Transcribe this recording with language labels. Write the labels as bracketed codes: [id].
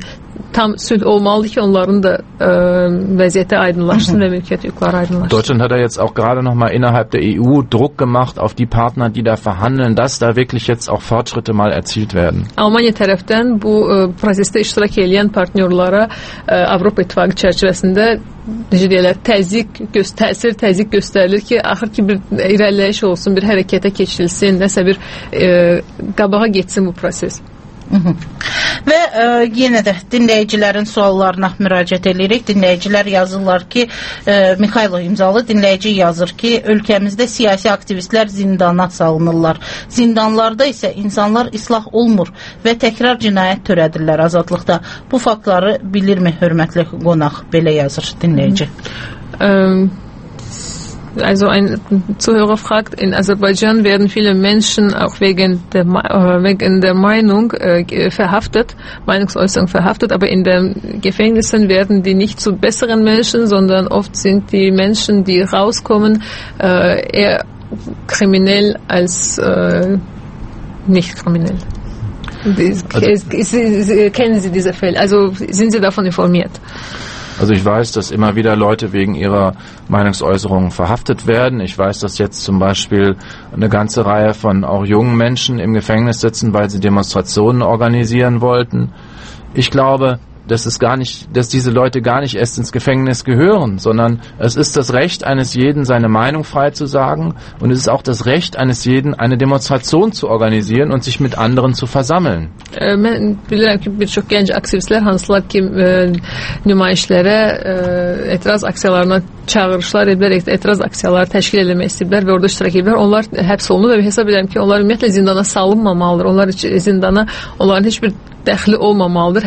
[az] Yəni tam sülh olmalıdır ki onların da vəziyyəti aydınlaşsın və mülkiyyət hüquqları aydınlaşsın. [de] Deutschland hat da jetzt auch gerade noch mal innerhalb der EU Druck gemacht auf die Partner, die da verhandeln, dass da wirklich jetzt auch Fortschritte mal erzielt werden. [az] Almanya tərəfdən bu prosesdə iştirak edən partnyorlara Avropa İttifaqı çərçivəsində necə deyirlər, təzyiq göstərilir ki, axır ki bir irəliləyiş olsun, bir hərəkətə keçilsin, nəsə bir qabağa getsin bu proses. Və yenə də dinləyicilərin suallarına müraciət edirik. Dinləyicilər yazırlar ki, Mikhailo imzalı dinləyici yazır ki, ölkəmizdə siyasi aktivistlər zindana salınırlar. Zindanlarda isə insanlar islah olmur və təkrar cinayət törədirlər azadlıqda. Bu faktları bilirmi, hörmətli qonaq, belə yazır dinləyici. [de] Also ein Zuhörer fragt, in Aserbaidschan werden viele Menschen auch wegen der Meinung verhaftet, Meinungsäußerung verhaftet, aber in den Gefängnissen werden die nicht zu besseren Menschen, sondern oft sind die Menschen, die rauskommen, eher kriminell als nicht kriminell. Kennen Sie diese Fälle? Also sind Sie davon informiert? Also ich weiß, dass immer wieder Leute wegen ihrer Meinungsäußerungen verhaftet werden. Ich weiß, dass jetzt zum Beispiel eine ganze Reihe von auch jungen Menschen im Gefängnis sitzen, weil sie Demonstrationen organisieren wollten. Ich glaube, dass diese Leute gar nicht erst ins Gefängnis gehören, sondern es ist das Recht eines jeden, seine Meinung frei zu sagen, und es ist auch das Recht eines jeden, eine Demonstration zu organisieren und sich mit anderen zu versammeln. [az] Mən bilirəm ki, bir çox gənc aktivistlər hansılar ki, nümayişlərə, etiraz aksiyalarına çağırışlar edilərək etiraz aksiyaları təşkil eləmək istəyirlər və orada iştirak edirlər. Onlar həbs olunur və hesab edirəm ki, onlar ümumiyyətlə zindana salınmamalıdır. Onların heç bir dəxli olmamalıdır.